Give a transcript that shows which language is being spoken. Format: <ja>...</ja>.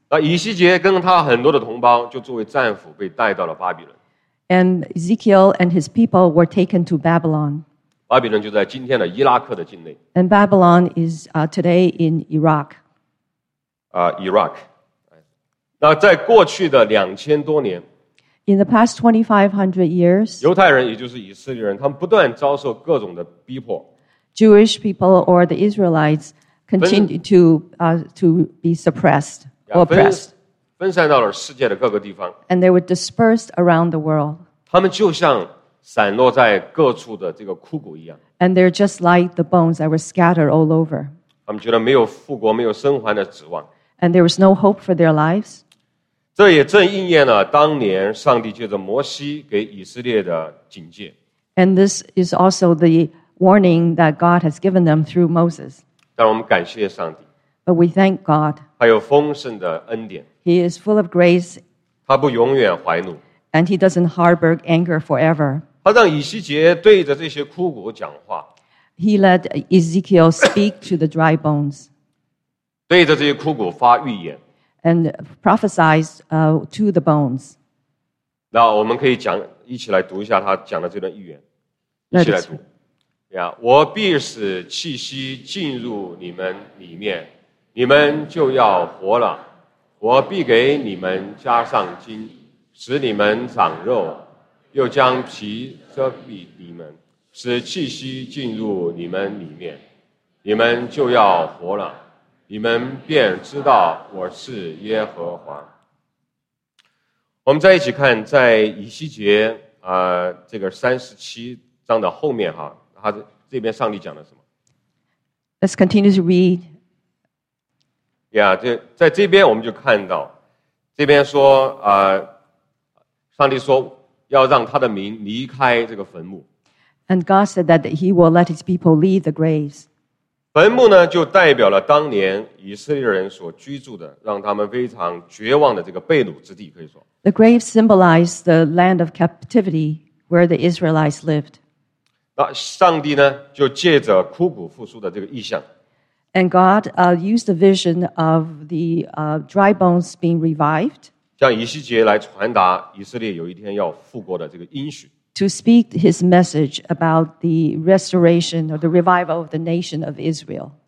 <zh>那以西结跟他很多的同胞就作为战俘被带到了巴比伦。</zh> <en>And Ezekiel and his people were taken to Babylon.</en> <zh>巴比伦就在今天的伊拉克的境内。</zh> <en>And Babylon is today in Iraq.</en> <zh>Iraq. 那在过去的2000多年</zh> <en>In the past 2500 years,</en> <zh>犹太人也就是以色列人他们不断遭受各种的逼迫。</zh> <en>Jewish people or the Israelites continue to be suppressed or oppressed.</en> <zh>分散到了世界的各个地方。</zh> <en>And they were dispersed around the world.</en> <zh>他们就像散落在各处的这个枯骨一样。</zh> <en>And they're just like the bones that were scattered all over.</en> <zh>他们觉得没有复国，没有生还的指望。</zh> <en>And there was no hope for their lives.</en> <zh>这也正应验了当年上帝借着摩西给以色列的警戒。</zh> <en>And this is also the warning that God has given them through Moses.</en> <zh>但我们感谢上帝。</zh> <en>But we thank God.</en> <zh>他有丰盛的恩典。</zh> <en>He is full of grace.</en> <zh>他不永远怀怒。</zh> <en>And he doesn't harbor anger forever.</en> <zh>他让以西结对着这些枯骨讲话。</zh> <en>He let Ezekiel speak to the dry bones.</en> <zh>对着这些枯骨发预言。</zh> <en>And prophesized to the bones.</en> <zh>那我们可以讲一起来读一下他讲的这段预言。一起来读。 Yeah, 我必使气息进入你们里面，你们就要活了。我必给你们加上筋，使你们长肉，又将皮遮蔽你们，使气息进入你们里面，你们就要活了。你们便知道我是耶和华。我们再一起看，在以西结这个37章的后面哈。他这边上帝讲了什么</zh> <en>Let's continue to read.</en> <zh>Yeah, 在这边我们就看到这边说上帝说要让他的民离开这个坟墓。</zh> <en>And God said that he will let his people leave the graves.</en> <zh>坟墓呢就代表了当年以色列人所居住的让他们非常绝望的这个被掳之地可以说。</zh> <en>The grave symbolized the land of captivity where the Israelites lived.</en> <zh>上帝呢就借着枯骨复苏的这个意象</zh> <en>And God used the vision of the dry bones being revived</en> <zh>向以西结来传达以色列有一天要复国的这个应许</zh> <en>To speak his message about the restoration or the revival of the nation of Israel</en>